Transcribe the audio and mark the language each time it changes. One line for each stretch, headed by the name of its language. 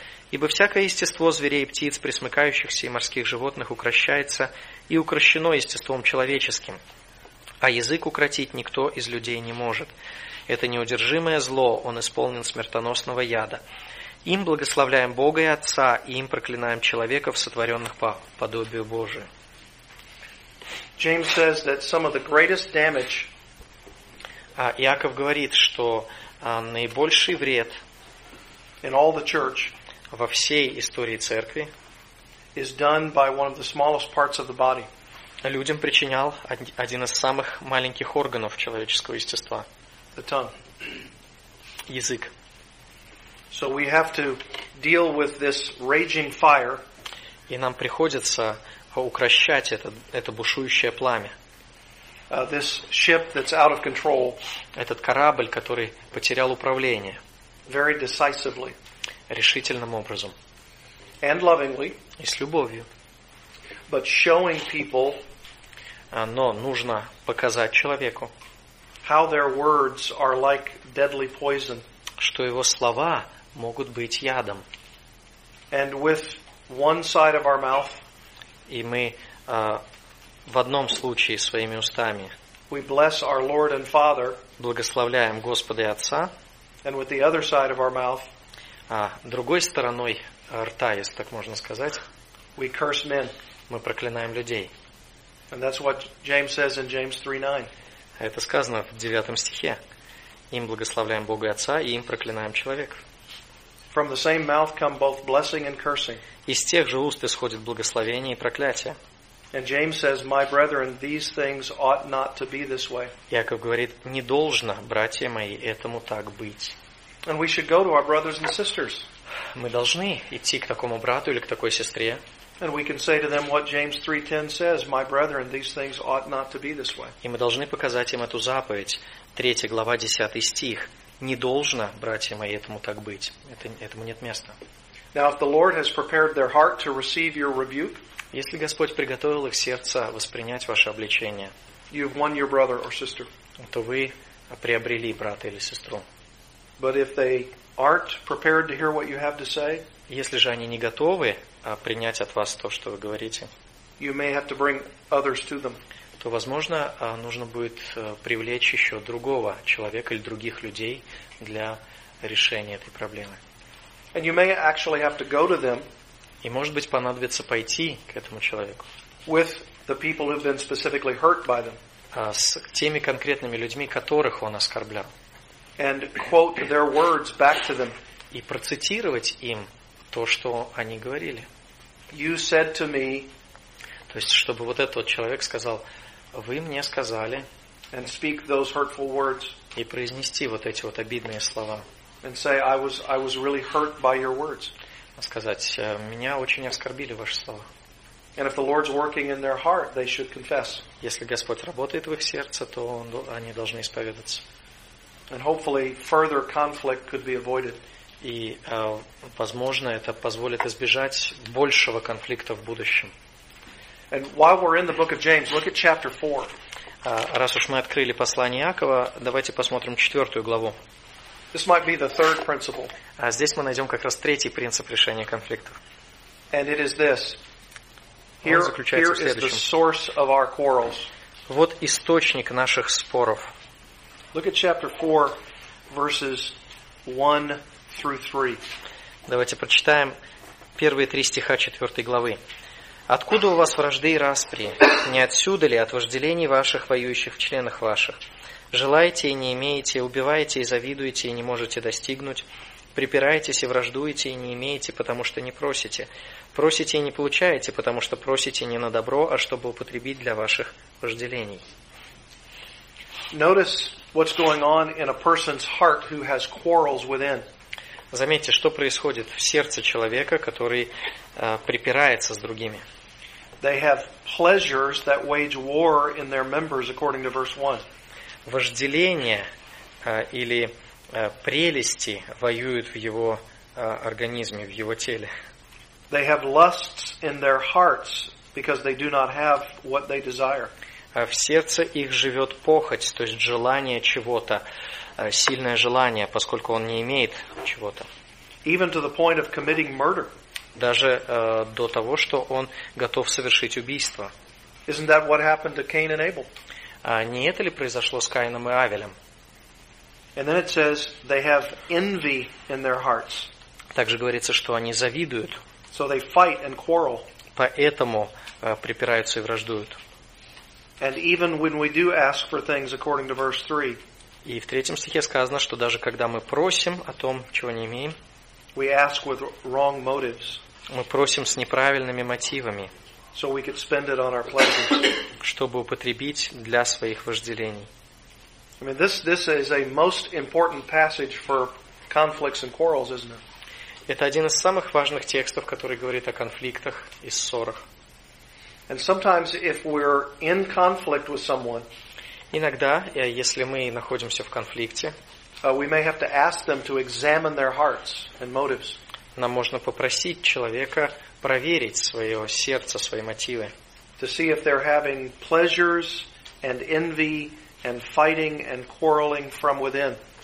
Russian: Ибо всякое естество зверей и птиц, пресмыкающихся и морских животных, укрощается и укрощено естеством человеческим. А язык укротить никто из людей не может. Это неудержимое зло, он исполнен смертоносного яда. Им благословляем Бога и Отца, и им проклинаем человеков, сотворенных по подобию Божию.
English: James says that some of the greatest damage.
Russian: Иаков говорит, что наибольший вред
English: in all the church
Russian: во всей истории церкви
English: is done by one of the smallest parts of the body.
Russian: Людям причинял один из самых маленьких органов человеческого естества.
English: The tongue.
Russian: Язык.
English: So we have to deal with this raging fire.
Russian: И нам приходится укрощать это бушующее пламя.
English: This ship that's out of control,
Russian: этот корабль, который потерял управление.
English: Very decisively,
Russian: решительным образом.
English: And lovingly,
Russian: и с любовью.
English: But showing people,
Russian: но нужно показать человеку,
English: how their words are like deadly poison,
Russian: что его слова могут быть ядом.
English: And with one side of our mouth,
Russian: и мы в одном случае своими устами
English: we bless our Lord and Father,
Russian: благословляем Господа и Отца,
English: and with the other side of our mouth,
Russian: другой стороной рта, если так можно сказать,
English: we curse men.
Russian: Мы проклинаем людей.
English: And that's what James says in James 3:9.
Russian: Это сказано в 9 стихе. Им благословляем Бога и Отца, и им проклинаем человека.
English: From the same mouth come both blessing and cursing.
Russian: Из тех же уст исходит благословение и проклятие.
English: And James says, "My brethren, these things ought not to be this way."
Russian: Яков говорит: не должно, братья мои, этому так быть.
English: And we should go to our brothers and sisters.
Russian: Мы должны идти к такому брату или к такой сестре.
English: And we can say to them what James 3:10 says: "My brethren, these things ought not to be this way."
Russian: И мы должны показать им эту заповедь, 3 глава 10 стих. Не должно, братья мои, этому так быть. Этому нет места.
English: Now, if the Lord has prepared their heart to receive your rebuke,
Russian: если Господь приготовил их сердце воспринять ваше обличение,
English: you've won your brother or sister.
Russian: То вы приобрели брата или сестру.
English: But if they aren't prepared to hear what you have to say,
Russian: если же они не готовы принять от вас то, что вы говорите,
English: you may have to bring others to them.
Russian: То, возможно, нужно будет привлечь еще другого человека или других людей для решения этой проблемы.
English: And you may actually have to go to them.
Russian: И, может быть, понадобится пойти к этому человеку.
English: With the people who've been specifically hurt by them.
Russian: С теми конкретными людьми, которых он оскорблял.
English: And quote their words back to them.
Russian: И процитировать им то, что они говорили.
English: You said to me.
Russian: То есть, чтобы вот этот человек сказал: «Вы мне сказали».
English: And speak those hurtful words.
Russian: И произнести вот эти вот обидные слова.
English: And say, I was really hurt by your words.
Russian: Сказать: «Меня очень оскорбили ваши слова».
English: And if the Lord's working in their heart, they should confess.
Russian: Если Господь работает в их сердце, то они должны исповедаться.
English: And hopefully further conflict could be avoided.
Russian: И, возможно, это позволит избежать большего конфликта в будущем.
English: And while we're in the book of James, look at chapter 4.
Russian: Раз уж мы открыли послание Иакова, давайте посмотрим 4 главу.
English: This might be the third principle.
Russian: А здесь мы найдем как раз третий принцип решения конфликтов.
English: And it is this. Here is the source of our quarrels.
Russian: Вот источник наших споров.
English: Look at chapter 4, verses 1 through 3.
Russian: Давайте прочитаем первые три стиха 4 главы. «Откуда у вас вражды и распри? Не отсюда ли от вожделений ваших, воюющих в членах ваших? Желаете и не имеете, убиваете и завидуете, и не можете достигнуть. Припираетесь и враждуете, и не имеете, потому что не просите. Просите и не получаете, потому что просите не на добро, а чтобы употребить для ваших вожделений».
English: Notice what's going on in a person's heart who has quarrels within.
Russian: Заметьте, что происходит в сердце человека, который припирается с другими.
English: They have pleasures that wage war in their members, according to verse 1.
Russian: Вожделения или прелести воюют в его организме, в его теле.
English: They have lusts in their hearts because they do not have what they desire.
Russian: В сердце их живет похоть, то есть желание чего-то, сильное желание, поскольку он не имеет чего-то.
English: Even to the point of committing murder.
Russian: Даже до того, что он готов совершить убийство.
English: Isn't that what happened to Cain and Abel?
Russian: Не это ли произошло с Каином и Авелем?
English: And then it says they have envy in their hearts.
Russian: Также говорится, что они завидуют.
English: So they fight and quarrel.
Russian: Поэтому припираются и враждуют.
English: And even when we do ask for things according to verse 3.
Russian: И в третьем стихе сказано, что даже когда мы просим о том, чего не имеем,
English: we ask with wrong motives.
Russian: Мы просим с неправильными мотивами.
English: So we could spend it on our pleasures.
Russian: Чтобы употребить для своих вожделений.
English: I mean, this is a most important passage for conflicts and quarrels, isn't it?
Russian: Это один из самых важных текстов, который говорит о конфликтах и ссорах.
English: And sometimes if we're in conflict with someone,
Russian: иногда, если мы находимся в конфликте,
English: we may have to ask them to examine their hearts and motives.
Russian: Нам можно попросить человека проверить свое сердце, свои мотивы.
English: To see if they're having pleasures and envy and fighting and quarreling from within.